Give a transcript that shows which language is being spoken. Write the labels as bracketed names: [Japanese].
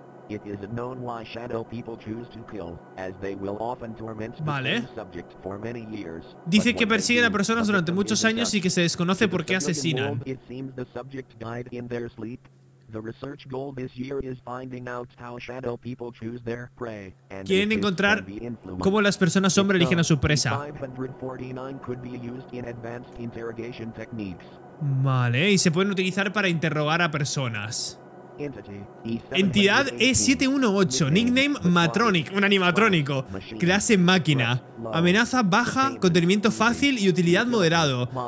[English] It is known why shadow people choose to kill, as they will often torment the subject for many years. [Spanish] Dice que persigue a personas durante muchos años y que se desconoce por qué asesinan. [English] It seems the subject died in their sleep. The research goal this year is finding out how shadow people choose their prey. [Spanish] Quieren encontrar cómo las personas sombra eligen a su presa. [English] 549 could be used in advanced interrogation techniques. [Spanish] Vale, y se pueden utilizar para interrogar a personas. Entidad E718, nickname Matronic, un animatrónico, clase máquina, amenaza baja, contenimiento fácil y utilidad moderado.